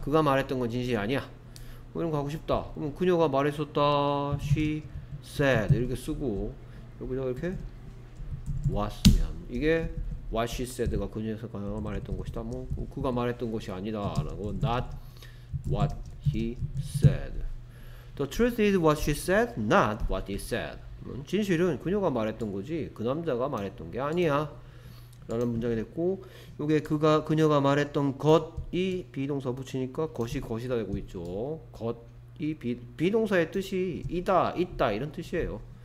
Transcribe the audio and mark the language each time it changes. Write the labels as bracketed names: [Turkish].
[Korean] 그가 말했던 건 진실이 아니야. 이런 거 하고 싶다. 그럼 그녀가 말했었다. [English] She said [Korean] 이렇게 쓰고 여기다가 이렇게 왔으면 이게 [English] what she said [Korean] 가 그녀에서 그녀가 말했던 것이다. 뭐 그가 말했던 것이 아니다라고 [English] not what he said. The truth is what she said, not what he said. [Korean] 진실은 그녀가 말했던 거지 그 남자가 말했던 게 아니야. 라는 문장이 됐고 요게 그녀가 말했던 것이 비동사 붙이니까 것이 것이다 되고 있죠. 것이 비동사의 뜻이 이다 있다 이런 뜻이에요.